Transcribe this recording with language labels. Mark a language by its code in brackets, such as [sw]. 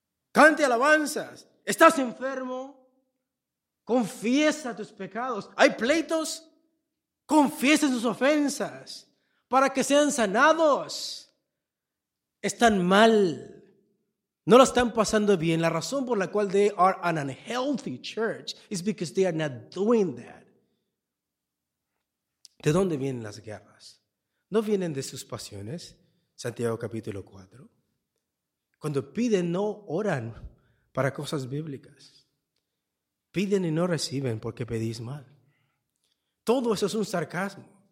[es] ¡Cante alabanzas! ¿Estás enfermo? Confiesa tus pecados. ¿Hay pleitos? Confiesa tus ofensas para que sean sanados. Están mal. No lo están pasando bien. La razón por la cual [en] they are an unhealthy church is because they are not doing that. [es] ¿De dónde vienen las guerras? No vienen de sus pasiones. Santiago capítulo 4. Cuando piden, no oran para cosas bíblicas. Piden y no reciben porque pedís mal. Todo eso es un sarcasmo.